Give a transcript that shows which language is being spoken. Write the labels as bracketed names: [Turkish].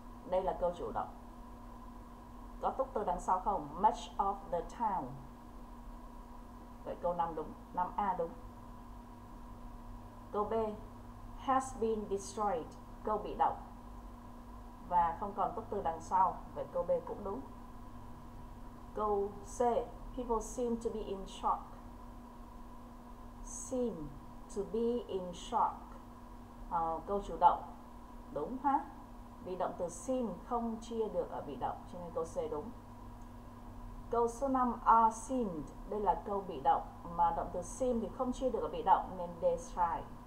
[Vietnamese] Đây là câu chủ động. Có tốt từ đằng sau không? [English] Much of the town. [Vietnamese] Vậy câu 5 đúng, 5 A đúng. Câu B, [English] has been destroyed, [Vietnamese] câu bị động và không còn tốt từ đằng sau, vậy câu B cũng đúng. Câu C, [English] people seem to be in shock. Seem to be in shock. [Vietnamese] Câu chủ động đúng ha, vì động từ seem không chia được ở bị động cho nên câu C đúng. Câu số 5, [English] are seemed, [Vietnamese] đây là câu bị động mà động từ seem thì không chia được ở bị động nên D sai.